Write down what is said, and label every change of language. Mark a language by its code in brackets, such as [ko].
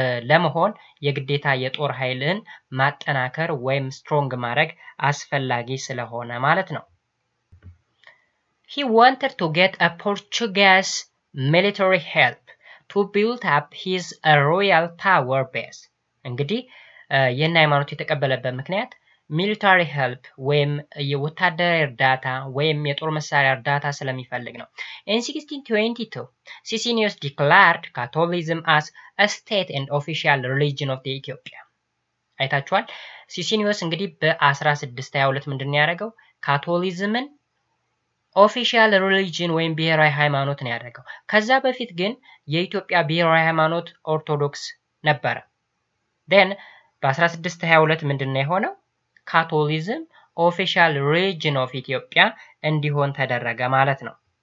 [am] ለመሆን የግዴታ የጦር ኃይልን ማጠናከር ወይም ስትሮንግ ማድረግ አስፈላጊ ስለሆነ ማለት ነው [en] He wanted to get a Portuguese military help to build up his royal power base. [am] እንግዲህ የነ ሃይማኖት የተቀበለበት ምክንያት military help ወይም የወታደራዊ እርዳታ ወይም የጦር መሳሪያ እርዳታ ስለሚፈልግ ነው። [en] In 1622, Sisinius declared Catholicism as a state and official religion of the Ethiopia. [am] አይታችኋል? Sisinius እንግዲህ በ1622 ምንድነው ያደረገው? ካቶሊዝምን official religion ወይም ብሔራዊ ሃይማኖት ነው ያደረገው ከዛ በፊት ግን የኢትዮጵያ ብሔራዊ ሃይማኖት ኦርቶዶክስ ነበር then በ1622 ምንድነው የሆነው ካቶሊዝም official religion of Ethiopia እንዲሆን ተደረገ ማለት ነው